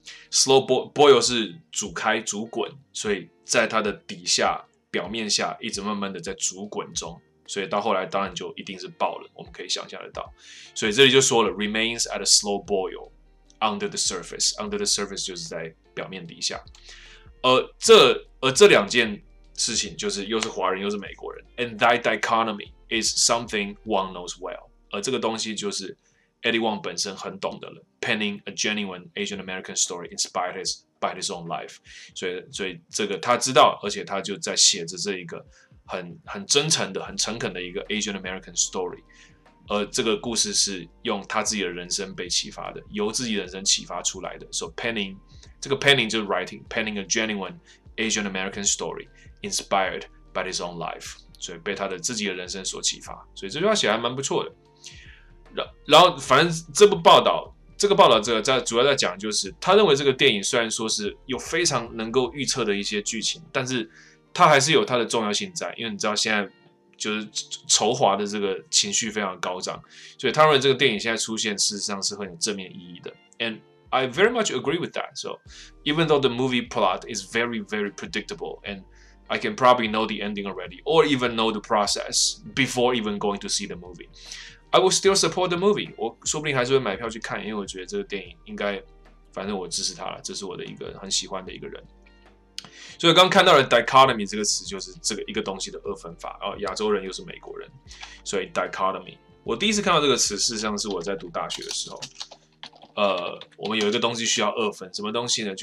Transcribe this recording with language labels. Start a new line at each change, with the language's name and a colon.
Chinese: slow boil 是煮开、煮滚，所以在它的底下、表面下一直慢慢的在煮滚中，所以到后来当然就一定是爆了，我们可以想象得到。所以这里就说了 remains at a slow boil under the surface。 under the surface 就是在表面底下。而这两件事情就是又是华人又是美国人。
English: And that dichotomy is something one knows well。
Chinese: 而这个东西就是 Eddie Wong 本身很懂得了。
English: Penning a genuine Asian American story inspired by his own life。
Chinese: 所以这个他知道，而且他就在写着这一个很真诚的、很诚恳的一个
English: Asian American story。
Chinese: 而这个故事是用他自己的人生被启发的，由自己人生启发出来的。
English: So penning
Chinese: 这个
English: penning
Chinese: 就是
English: writing，penning a genuine Asian American story inspired by his own life。
Chinese: 所以被他的自己的人生所启发，所以这句话写还蛮不错的。然后反正这个报道这个主要在讲，就是他认为这个电影虽然说是有非常能够预测的一些剧情，但是他还是有他的重要性在，因为你知道现在就是仇华的这个情绪非常高涨，所以他认为这个电影现在出现事实上是很有正面意义的。
English: And I very much agree with that. So even though the movie plot is very very predictable andI can probably know the ending already, or even know the process before even going to see the movie. I will still support the movie.
Chinese: 我说不定还是会买票去看，因为我觉得这个电影应该，反正我支持它了，这是我的一个很喜欢的一个人。所以刚看到的 dichotomy 这个词就是这个一个东西的二分法，亚洲人又是美国人，所以 dichotomy。我第一次看到这个词，事实上是我在读大学的时候。我们有一个东西需要二分，什么东西呢？